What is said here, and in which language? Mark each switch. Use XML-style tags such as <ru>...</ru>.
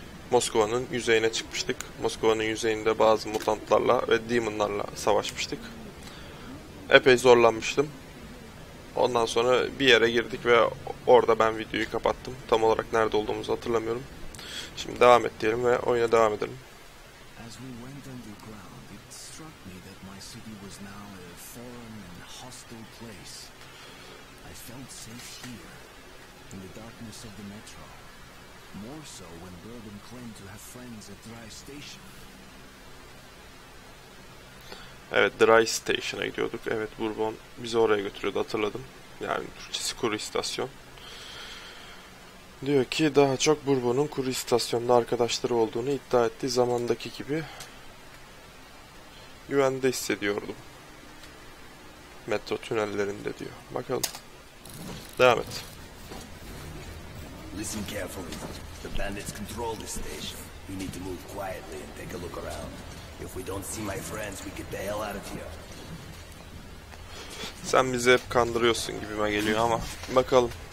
<tr>Moskova'nın yüzeyine çıkmıştık. Moskova'nın yüzeyinde bazı mutantlarla ve demonlarla savaşmıştık. Epey zorlanmıştım. Ondan sonra bir yere girdik ve orada ben videoyu kapattım. Tam olarak nerede olduğumuzu hatırlamıyorum. Şimdi devam et diyelim ve oyuna devam edelim.</tr> <en>As we went underground, it struck me that my city was now a foreign and hostile place. I felt safe here, in the darkness of the metro. More so when Bourbon claimed to have friends at Dry Station.</en> <tr>Evet, Dry Station'a gidiyorduk. Evet, Bourbon bizi oraya götürüyordu, hatırladım. Yani Türkçesi kuru istasyon. Diyor ki daha çok Bourbon'un kuru istasyonda arkadaşları olduğunu iddia ettiği zamandaki gibi güvende hissediyordum. Metro tünellerinde diyor. Bakalım. Devam et.</tr> <en>Listen carefully. The bandits control this station. You need to move quietly and take a look around. If we don't see my friends, we get the hell out of here.</en> <tr>Sen bizi hep kandırıyorsun gibime geliyor ama bakalım.</tr>